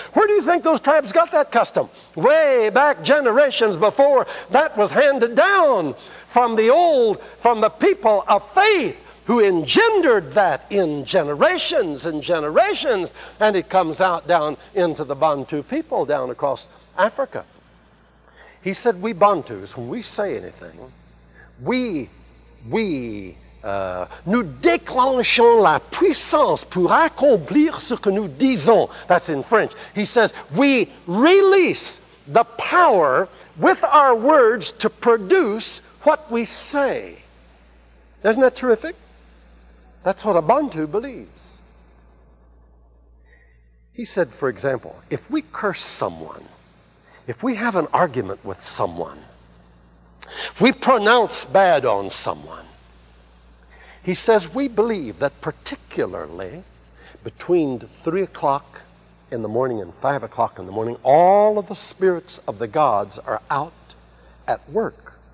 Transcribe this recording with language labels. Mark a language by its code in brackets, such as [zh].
[en] Where do you think those tribes got that custom? Way back generations before that was handed down from the old, from the people of faith who engendered that in generations and generations. And it comes out down into the Bantu people down across Africa. He said, we Bantus, when we say anything, [fr] nous déclenchons la puissance pour accomplir ce que nous disons. [en] That's in French. He says, we release the power with our words to produce what we say. Isn't that terrific? That's what a Bantu believes. He said, for example, if we curse someone, if we have an argument with someone, if we pronounce bad on someone, he says, we believe that particularly between 3 o'clock in the morning and 5 o'clock in the morning, all of the spirits of the gods are out at work.